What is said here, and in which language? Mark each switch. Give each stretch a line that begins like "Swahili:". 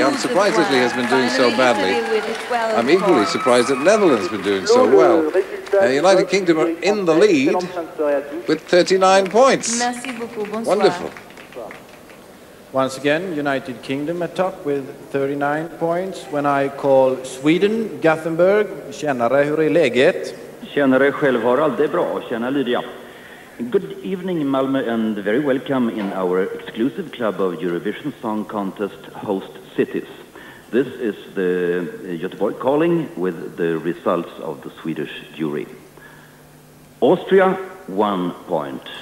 English: Unsurprisingly, has been doing so badly. I'm equally surprised that Netherlands has been doing so well. The United Kingdom are in the lead with 39 points. Wonderful. Once again, United Kingdom at top with 39 points. When I call Sweden, Gothenburg,
Swedish: tjenare, hur är läget? Tjenare, själv har allt bra. Tjena, Lydia.
English: Good evening, Malmö, and very welcome in our exclusive club of Eurovision Song Contest host cities. This is the Göteborg calling with the results of the Swedish jury. Austria, 1 point.